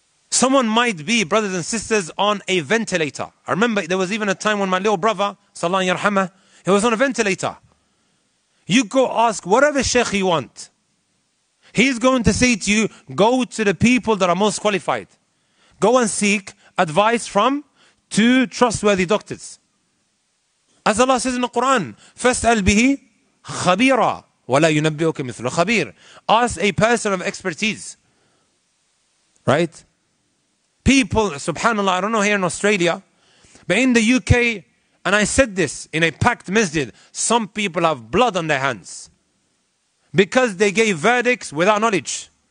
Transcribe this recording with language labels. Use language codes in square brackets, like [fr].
[en] Someone might be, brothers and sisters, on a ventilator. I remember there was even a time when my little brother, Salah Yarhamah, he was on a ventilator. You go ask whatever sheikh you want. He's going to say to you, go to the people that are most qualified. Go and seek advice from two trustworthy doctors. As Allah says in the Quran, [ar] فَاسْأَلْ بِهِ خَبِيرًا وَلَا يُنَبِّئُكَ مِثْلُ خَبِيرٍ. [en] Ask a person of expertise. Right? People, subhanAllah, I don't know here in Australia, but in the UK, and I said this in a packed masjid, some people have blood on their hands because they gave verdicts without knowledge.